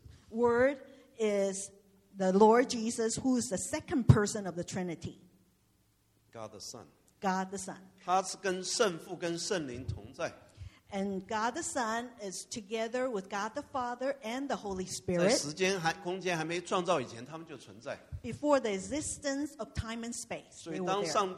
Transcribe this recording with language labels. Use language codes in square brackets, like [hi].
[en] Word is the Lord Jesus, who is the second person of the Trinity. God the Son. God the Son. [zh] 他是跟圣父跟圣灵同在。 [en] And God the Son is together with God the Father and the Holy Spirit. [zh] 在时间还空间还没创造以前，他们就存在。 [en] Before the existence of time and space, they were there.